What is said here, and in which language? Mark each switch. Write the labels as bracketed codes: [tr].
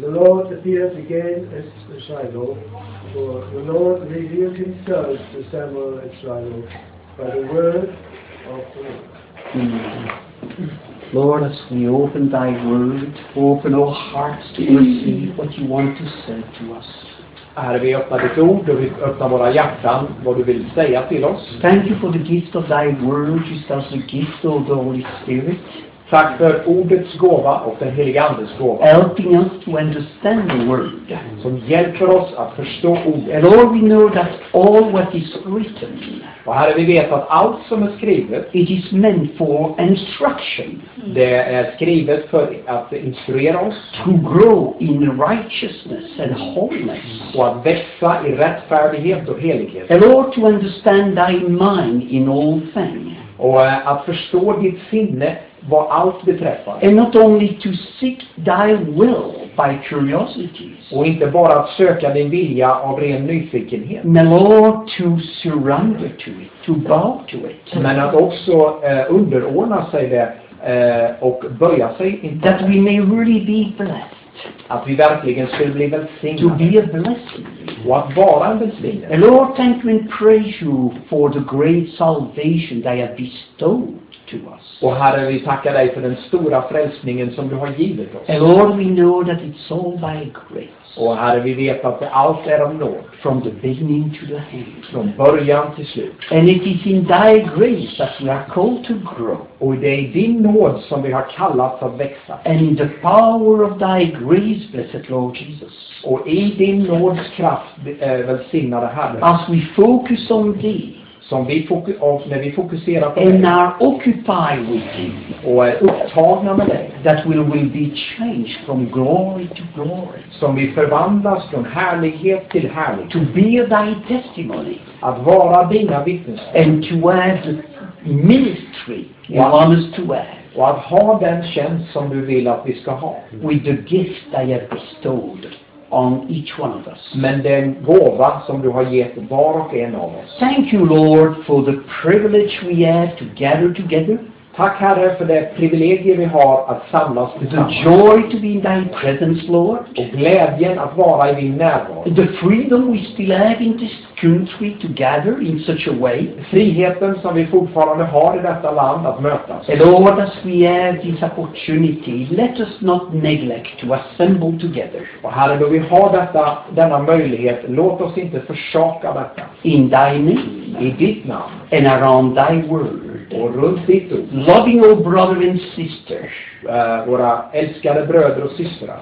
[en] The Lord appeared again at Shiloh, for the Lord revealed himself to Samuel at Shiloh by the word of the Lord. Mm. Lord, as we open thy word, open our hearts to receive what you want to say to us. [sv] Herre, vi öppnar ditt ord och vi öppnar våra hjärtan, vad du vill säga till oss. [en] Thank you for the gift of thy word, which is also the gift of the Holy Spirit. [sv] Tack för ordets gåva och den helige andes gåva. [en] Helping us to understand the word. [sv] Som hjälper oss att förstå ordet. [en] Lord, we know that all what is written. [sv] Och Herre, vi vet att allt som är skrivet. [en] It is meant for instruction. [sv] Det är skrivet för att instruera oss. [en] To grow in righteousness and holiness. [sv] Och att växa i rättfärdighet och helighet. [en] And Lord, to understand thy mind in all things. [sv] Och att förstå ditt sinne vad allt beträffar. [en] And not only to seek thy will by curiosities. [sv] Och inte bara att söka din vilja av ren nyfikenhet. [en] Men Lord, to surrender to it, to bow to it. [sv] Men att också underordna sig det och böja sig inför. [en] That we may really be blessed. [sv] Att vi verkligen skulle bli välsignade. [en] To be a blessing. [sv] Och att vara en välsignad. [en] Lord, thank you and praise you for the great salvation that you have bestowed to us. [sv] Och Herre, vi tackar dig för den stora frälsningen som du har givit oss. [en] And Lord, we know that it's all by grace. [sv] Och Herre, vi vet att det allt är av nåd. [en] From the beginning to the end. [sv] Från början till slut. [en] And it is in thy grace that we are called to grow. [sv] Och det är din nåd som vi har kallats att växa. [en] And in the power of thy grace, blessed Lord Jesus. [sv] Och i din nåds kraft, välsignade Herre. [en] As we focus on thee. [sv] Som vi när vi fokuserar på [en] and [sv] dig. [en] Are occupied with him, [sv] och är upptagna med dig. [en] That will be changed from glory to glory. [sv] Som vi förvandlas från härlighet till härlighet. [en] To be thy testimony. [sv] Att vara dina vittnesbörd. [en] And to add ministry you want us to add. [sv] Och att ha den tjänst som du vill att vi ska ha. [en] With the gift I have bestowed. On each one of us. [sv] Men den gåva som du har gett var och en av oss. [en] Thank you, Lord, for the privilege we have to gather together. [sv] Tack Herre för det privilegium vi har att samlas tillsammans. [en] The joy to be in thy presence, Lord. [sv] Och glädjen att vara i din närvaro. [en] The freedom we still have in this country to gather in such a way. [sv] Friheten som vi fortfarande har i detta land att mötas. [en] And Lord, as we have this opportunity, let us not neglect to assemble together. [sv] Och Herre, då vi har denna möjlighet, låt oss inte försaka detta. [en] In thy name. [sv] I ditt namn. [en] And around thy word. [sv] Och runt ditt ord. [en] Loving all brother and sister. [sv] Våra älskade bröder och systrar.